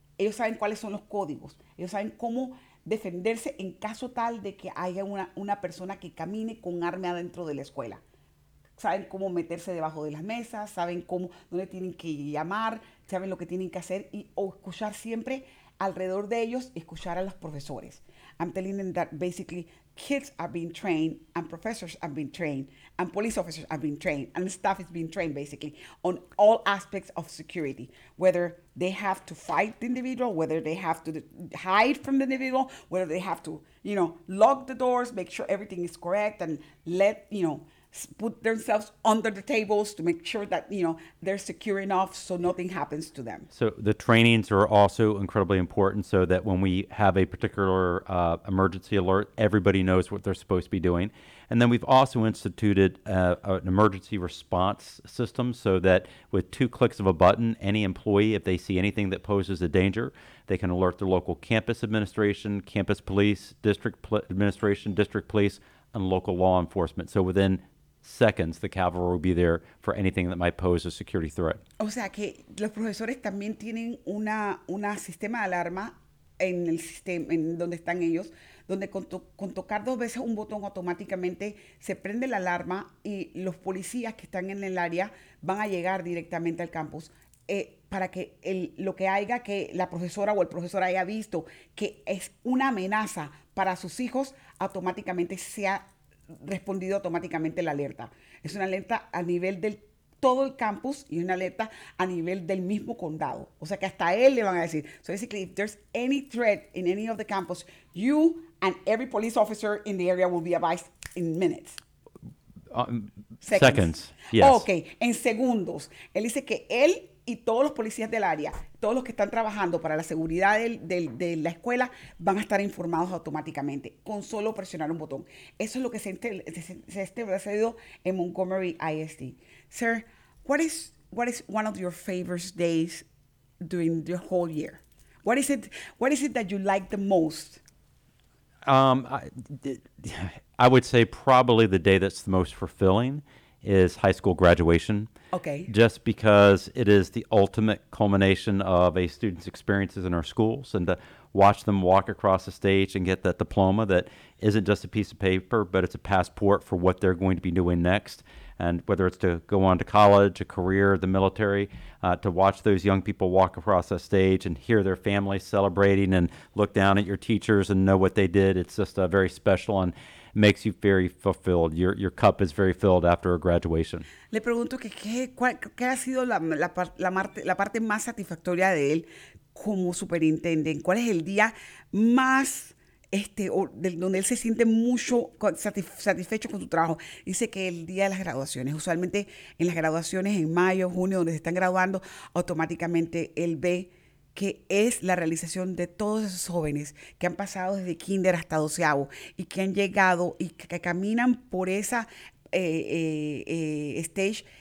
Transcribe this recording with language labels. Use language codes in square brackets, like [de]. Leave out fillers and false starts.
[es] Ellos saben cuáles son los códigos. Ellos saben cómo defenderse en caso tal de que haya una persona que camine con arma adentro de la escuela. Saben cómo meterse debajo de las mesas, saben cómo, dónde tienen que llamar, saben lo que tienen que hacer o escuchar siempre alrededor de ellos, escuchar a los profesores. [en] I'm telling them that basically kids are being trained and professors have been trained and police officers have been trained and staff is being trained basically on all aspects of security, whether they have to fight the individual, whether they have to hide from the individual, whether they have to, you know, lock the doors, make sure everything is correct and let, you know, put themselves under the tables to make sure that, you know, they're secure enough so nothing happens to them. So the trainings are also incredibly important so that when we have a particular emergency alert, everybody knows what they're supposed to be doing. And then we've also instituted an emergency response system so that with two clicks of a button, any employee, if they see anything that poses a danger, they can alert their local campus administration, campus police, district administration, district police, and local law enforcement. So within seconds, the cavalry will be there for anything that might pose a security threat. [es] O sea que los profesores también tienen una sistema de alarma en el sistema en donde están ellos, donde con tocar dos veces un botón automáticamente se prende la alarma y los policías que están en el área van a llegar directamente al campus para que lo que haya que la profesora o el profesor haya visto que es una amenaza para sus hijos, automáticamente se ha respondido automáticamente la alerta. Es una alerta a nivel del todo el campus y una alerta a nivel del mismo condado. O sea que hasta él le van a decir. [en] So basically, if there's any threat in any of the campus, you and every police officer in the area will be advised in minutes. Seconds. Yes. Oh, okay, [es] en segundos. Él dice que él y todos los policías del área, todos los que están trabajando para la seguridad de la escuela, van a estar informados automáticamente con solo presionar un botón. Eso es lo que se ha establecido en Montgomery ISD. [en] Sir, what is one of your favorite days during the whole year? What is it that you like the most? I would say probably the day that's the most fulfilling is high school graduation. Okay. Just because it is the ultimate culmination of a student's experiences in our schools, and to watch them walk across the stage and get that diploma that isn't just a piece of paper, but it's a passport for what they're going to be doing next. And whether it's to go on to college, a career, the military, to watch those young people walk across that stage and hear their families celebrating and look down at your teachers and know what they did, it's just a very special and makes you very fulfilled. Your cup is very filled after a graduation. [es] Le pregunto qué ha sido la parte más satisfactoria de él como superintendente. ¿Cuál es el día más donde él se siente mucho satisfecho con su trabajo? Dice que el día de las graduaciones, usualmente en las graduaciones en mayo, junio, donde se están graduando, automáticamente él ve que es la realización de todos esos jóvenes que han pasado desde kinder hasta doceavo y que han llegado y que caminan por esa stage